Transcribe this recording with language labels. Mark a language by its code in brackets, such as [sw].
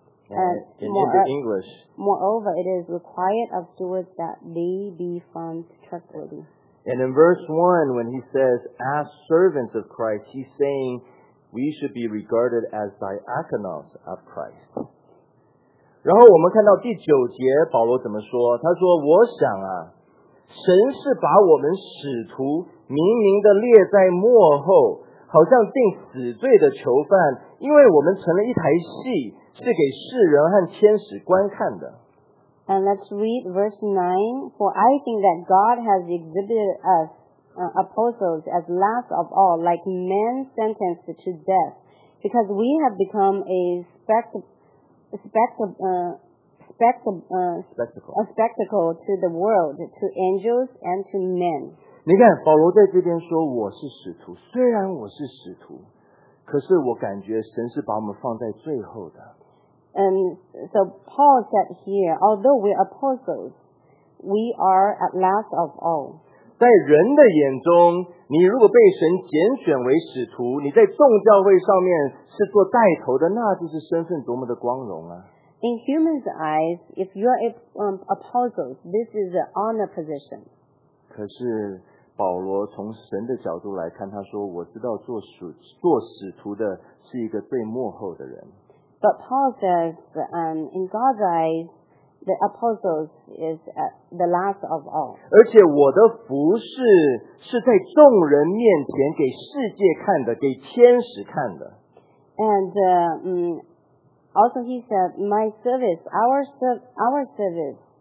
[en] In English Moreover it is required of stewards that they be found trustworthy And in verse 1, when he says, as servants of Christ, he's saying, we should be regarded as diakonos of Christ. [zh] 然后我们看到第九节保罗怎么说他说我想啊神是把我们使徒明明的列在幕后好像定死罪的囚犯因为我们成了一台戏是给世人和天使观看的。 [en] And let's read verse 9. For I think that God has exhibited us, apostles, as last of all, like men sentenced to death, because we have become a spectacle to the world, to angels and to men. [zh] 你看，保罗在这边说我是使徒，虽然我是使徒，可是我感觉神是把我们放在最后的。 [en] And so Paul said here, although we are apostles, we are at last of all. [zh] 在人的眼中，你如果被神拣选为使徒，你在众教会上面是做带头的，那就是身份多么的光荣啊！ [en] In humans' eyes, if you are apostles, this is an honor position. [zh] 可是保罗从神的角度来看，他说：“我知道做使徒的是一个最幕后的人。” [en] But Paul says, in God's eyes, the apostles is the last of all. [zh] 而且我的服事是在众人面前给世界看的，给天使看的。 [en] And also he said, my service, our service,